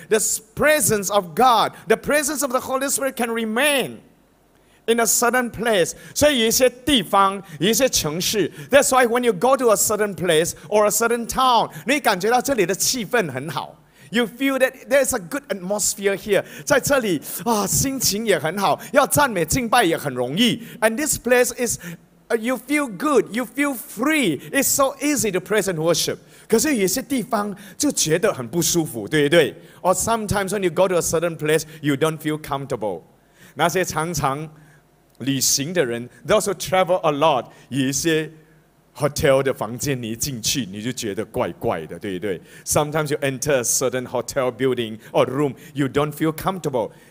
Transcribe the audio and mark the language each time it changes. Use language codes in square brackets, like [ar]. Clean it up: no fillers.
[en] The presence of God, the presence of the Holy Spirit can remain in a certain place. [zh] 所以有一些地方,有一些城市, [en] that's why when you go to a certain place or a certain town, [zh] 你感觉到这里的气氛很好。 [en] You feel that there's a good atmosphere here. [zh] 在这里, 心情也很好, 要赞美敬拜也很容易. [en] And this place is, you feel good, you feel free. It's so easy to praise and worship. [zh] 可是有些地方就觉得很不舒服, 对不对? [en] Or sometimes when you go to a certain place, you don't feel comfortable. [zh] 那些常常旅行的人, [en] those who travel a lot, [zh] 有一些 Hotel 的房间你一进去你就觉得怪怪的，对不对？ [en] Sometimes you enter a certain hotel building or room, you don't feel comfortable.